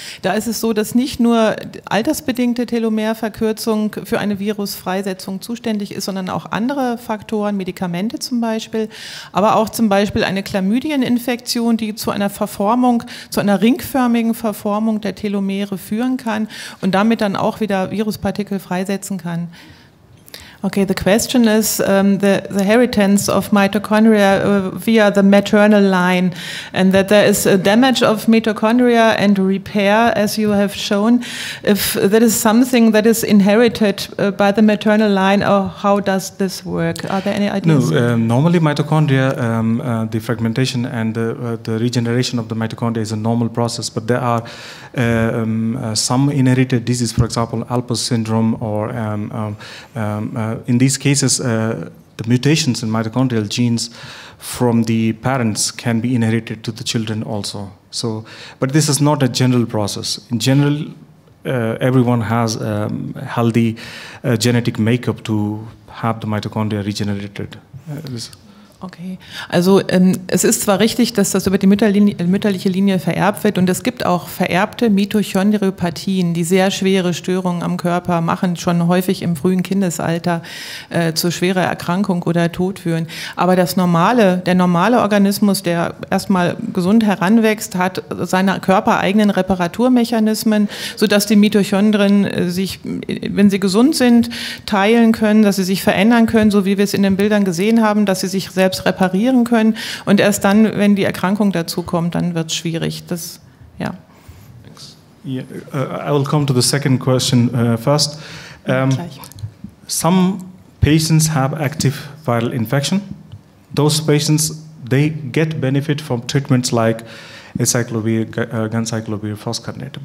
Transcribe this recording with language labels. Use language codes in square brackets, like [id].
[de] Da ist es so, dass nicht nur altersbedingte Telomerverkürzung für eine Virusfreisetzung zuständig ist, sondern auch andere Faktoren, Medikamente zum Beispiel, aber auch zum Beispiel eine Chlamydieninfektion, die zu einer Verformung, zu einer ringförmigen Verformung der Telomere führen kann und damit dann auch wieder Viruspartikel freisetzen kann. [en] Okay, the question is the inheritance of mitochondria via the maternal line, and that there is a damage of mitochondria and repair, as you have shown. If that is something that is inherited by the maternal line, or how does this work? Are there any ideas? No, normally mitochondria, the fragmentation and the regeneration of the mitochondria is a normal process, but there are some inherited diseases, for example, Alport syndrome or in these cases, the mutations in mitochondrial genes from the parents can be inherited to the children also. So, but this is not a general process. In general, everyone has healthy genetic makeup to have the mitochondria regenerated. [de] Okay, also es ist zwar richtig, dass das über die mütterliche Linie vererbt wird und es gibt auch vererbte Mitochondriopathien, die sehr schwere Störungen am Körper machen, schon häufig im frühen Kindesalter zu schwerer Erkrankung oder Tod führen. Aber das normale, der normale Organismus, der erstmal gesund heranwächst, hat seine körpereigenen Reparaturmechanismen, sodass die Mitochondrien sich, wenn sie gesund sind, teilen können, dass sie sich verändern können, so wie wir es in den Bildern gesehen haben, dass sie sich selbst reparieren können und erst dann, wenn die Erkrankung dazu kommt, dann wird es schwierig. Das, ja. [en] Yeah, I will come to the second question first. Some patients have active viral infection. Those patients, they get benefit from treatments like acyclovir, ganciclovir, foscarnet.